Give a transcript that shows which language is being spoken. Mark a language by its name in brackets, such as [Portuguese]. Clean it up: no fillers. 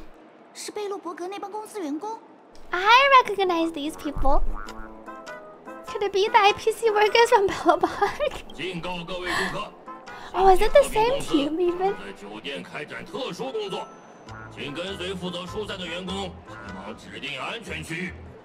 [Chinese] 喂，你看，这声音是贝洛伯格那帮公司员工。 [English] I recognize these people. Could it be the IPC workers from Bellabog? [Chinese] 警告各位顾客。 [English] Oh, is it the same team even? [Chinese] 在酒店开展特殊工作，请跟随负责疏散的员工前往指定安全区域。